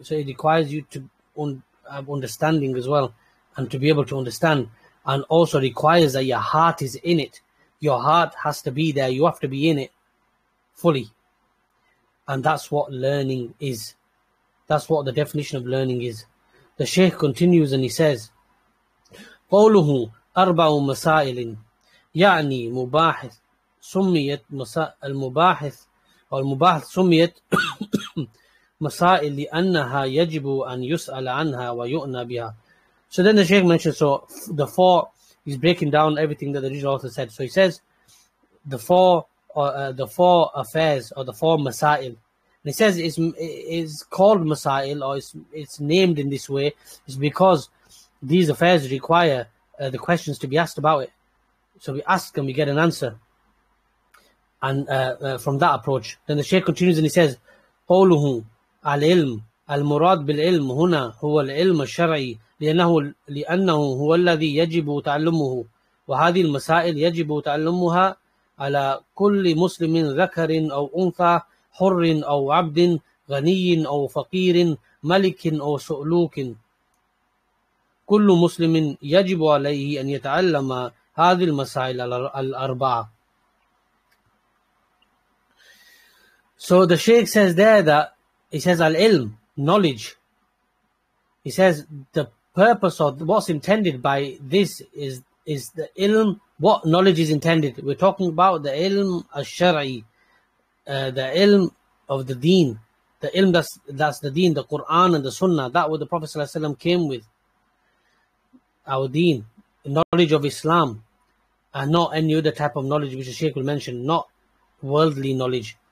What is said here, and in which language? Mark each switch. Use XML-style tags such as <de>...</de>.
<en>So it requires you to have understanding as well, and to be able to understand, and also requires that your heart is in it. Your heart has to be there. You have to be in it fully. And that's what learning is. That's what the definition of learning is. The Shaykh continues and he says,</en> <ar>قوله أربع مسائل يعني مباحث سميت المباحث والمباحث سميت مسائل لأنها يجب أن يسأل عنها ويؤنى بها.</ar> <en>So then the Shaykh mentions, so the four, he's breaking down everything that the original author said. So he says, the four affairs, or the four masail. And he says it's called masail, or it's named in this way, is because these affairs require the questions to be asked about it. So we ask and we get an answer. And from that approach, then the Shaykh continues and he says,</en> <ar>قولهم العلم المراد بالعلم هنا هو العلم الشرعي لأنه هو الذي يجب تعلمه وهذه المسائل يجب تعلمها على كل مسلم ذكر أو أنثى حر أو عبد غني أو فقير ملك أو سلوك كل مسلم يجب عليه أن يتعلم هذه المسائل الأربعة.</ar> <en>So the Shaykh says there that he says al-ilm, knowledge. He says the purpose of what's intended by this is the ilm, what knowledge is intended. We're talking about the ilm al-shar'i, the ilm of the deen, the ilm that's the deen, the Quran and the Sunnah, that what the Prophet ﷺ came with, our deen, knowledge of Islam, and not any other type of knowledge which the Shaykh will mention, not worldly knowledge.</en>